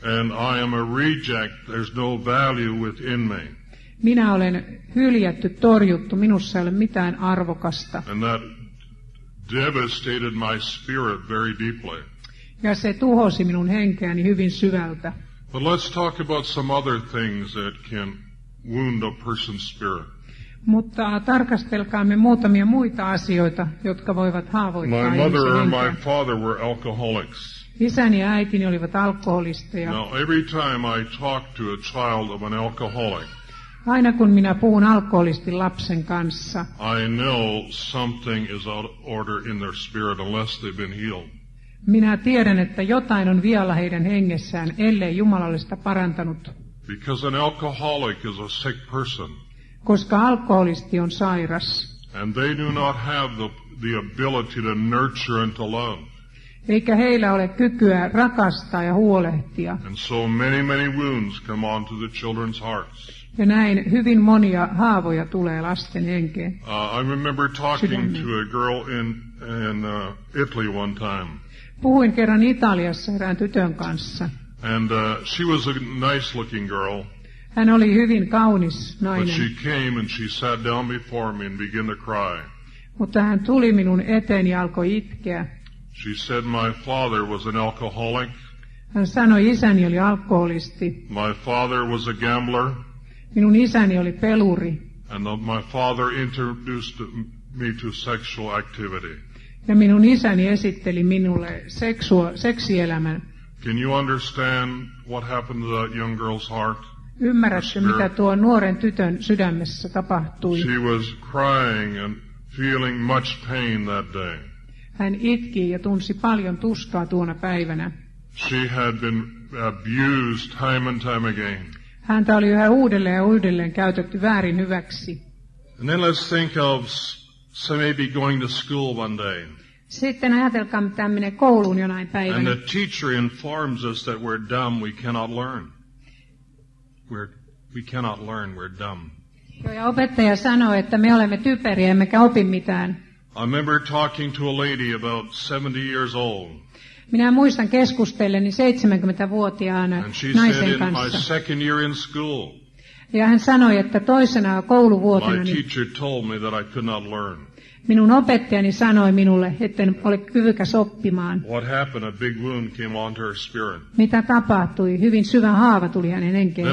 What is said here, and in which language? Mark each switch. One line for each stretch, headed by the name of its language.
English: And I am a reject. There's no value within me.
Finnish: Minä olen hyljätty, torjuttu, minussa ei ole mitään arvokasta.
English: And that devastated my spirit very deeply.
Finnish: Ja se tuhosi minun henkeäni hyvin syvältä.
English: But let's talk about some other things that can wound a person's spirit.
Finnish: Mutta tarkastelkaamme muutamia muita asioita, jotka voivat haavoittaa ihmisen henkeä.
English: My mother and my father were alcoholics.
Finnish: Isäni ja äitini olivat alkoholisteja.
English: Now every time I talk to a child of an alcoholic,
Finnish: aina kun minä puhun alkoholistin lapsen kanssa,
English: I know something is out of order in their spirit unless they've been healed.
Finnish: Minä tiedän, että jotain on vialla heidän hengessään, ellei Jumala ole sitä parantanut.
English: Because an alcoholic is a sick person.
Finnish: Koska alkoholisti on sairas.
English: And they do not have the ability to nurture and to love.
Finnish: Eikä heillä ole kykyä rakastaa ja huolehtia.
English: And so many wounds come onto the children's hearts.
Finnish: Ja näin hyvin monia haavoja tulee lasten henkeen.
English: I remember talking to a girl in Italy one time.
Finnish: Puhuin kerran Italiassa erään tytön kanssa.
English: And she was a nice looking girl.
Finnish: Hän oli hyvin kaunis nainen.
English: But she came and she sat down before me and began to cry.
Finnish: Mutta hän tuli minun eteeni ja alkoi itkeä.
English: She said my father was an alcoholic.
Finnish: Hän sanoi, isäni oli alkoholisti.
English: My father was a gambler.
Finnish: Minun isäni oli peluri.
English: And my father introduced me to sexual activity.
Finnish: Ja minun isäni esitteli minulle seksielämän.
English: Can you understand what happened to that young girl's heart?
Finnish: Ymmärrätkö, mitä tuo nuoren tytön sydämessä tapahtui?
English: She was crying and feeling much pain that day.
Finnish: Hän itki ja tunsi paljon tuskaa tuona päivänä.
English: She had been abused time and time again.
Finnish: Häntä oli yhä uudelleen ja uudelleen käytetty väärin hyväksi.
English: And then let's think of maybe going to school one day.
Finnish: Sitten ajatelkaa, että hän menee kouluun jonain päivänä.
English: And the teacher informs us that we're dumb, we cannot learn. We cannot learn, we're dumb.
Finnish: Joo, ja opettaja sanoi, että me olemme typeriä, emmekä opi mitään.
English: I remember talking to a lady about 70 years old.
Finnish: Minä muistan keskustelleni 70-vuotiaana naisen kanssa.
English: And she said, in my second year in school.
Finnish: Ja hän sanoi, että toisena kouluvuotena.
English: My teacher told me that I could not learn.
Finnish: Minun opettajani sanoi minulle, etten ole kyvykäs oppimaan.
English: What happened? A big wound came onto her spirit.
Finnish: Mitä tapahtui? Hyvin syvä haava tuli hänen henkeensä.